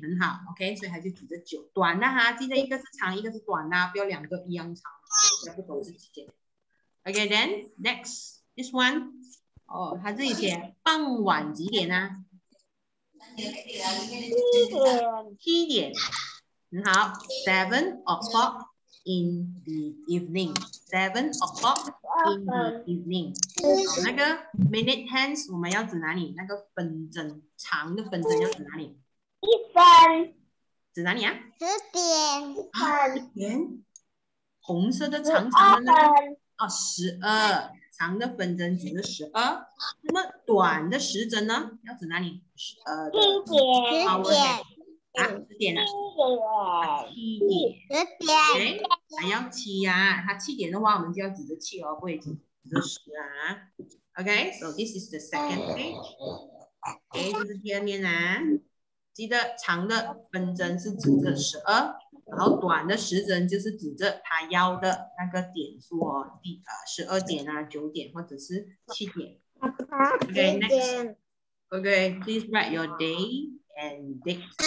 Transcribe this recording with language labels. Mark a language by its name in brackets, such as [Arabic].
[Chinese] 很好 ，OK， 所以还是指着九短的哈，记得一个是长，一个是短呐，不要两个一样长，要不都是几点 ？ [English] OK， then next this one， [Chinese] 哦，他这里写傍晚几点呢？七点，很好 [English] ，seven o'clock in the evening. 7 o'clock in the evening. [Chinese] 那个 [English] minute hands [Chinese] 我们要指哪里？那个分针，长的分针要指哪里？一分。指哪里啊？十点。啊，一点。红色的长长的那个。啊，十二。长的分针指的十二，那么短的时针呢？要指哪里？七点。 啊，七点啊。七点。还要七啊？它七点的话，我们就要指着七哦，不会指着十啊。 [English] OK， so this is the second page。 OK， [Chinese] 这是第二面啊。记得长的分针是指着十二，然后短的时针就是指着它腰的那个点数哦，十二点啊、九点或者是七点。 [English] OK， next。 Okay, please write your day and date.